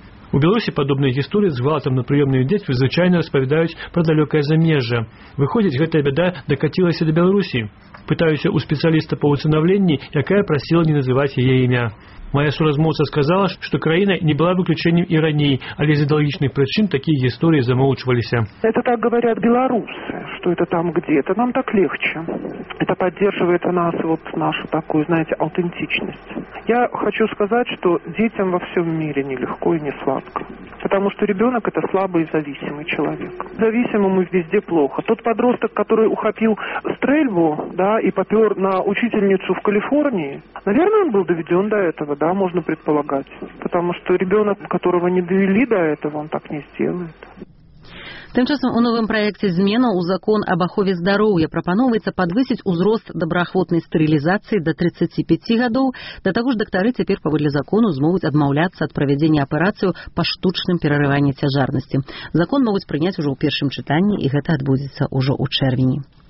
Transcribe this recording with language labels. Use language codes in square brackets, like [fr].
[be] У Беларусі падобныя гісторыі з гвалтам на прыёмныя дзеці звычайна распавядаюць пра далёкае замежжа. Выходзіць, гэтая бяда дакацілася да Беларусі. Пытаюся ў спецыяліста па ўстанаўленні, якая прасіла не называць яе імя. Мая суразмоўца сказала, што краіна не была выключэннем і раней, але з ідэалагічных прычын такія гісторыі замоўчваліся. [ru] Это так говорят беларусы, что это там где-то, нам так легче. Это поддерживает нас, вот нашу такую, знаете, аутентичность. Я хочу сказать, что детям во всем мире нелегко и не сладко. Потому что ребенок это слабый и зависимый человек. Зависимому везде плохо. Тот подросток, который ухопил стрельбу, да, и попер на учительницу в Калифорнии, наверное, он был доведен до этого, да, можно предполагать. Потому что ребенок, которого не довели до этого, он так не сделает. [be] Тым часам у новым праекце зменаў у закон аб ахове здароўя прапаноўваецца падвысіць узрост добраахвотнай стэрылізацыі да 35 гадоў. Да таго ж дактары цяпер паводле закону змогуць адмаўляцца ад правядзення аперацыі па штучным перарыванні цяжарнасці. Закон могуць прыняць ужо ў першым чытанні, і гэта адбудзецца ўжо ў чэрвені.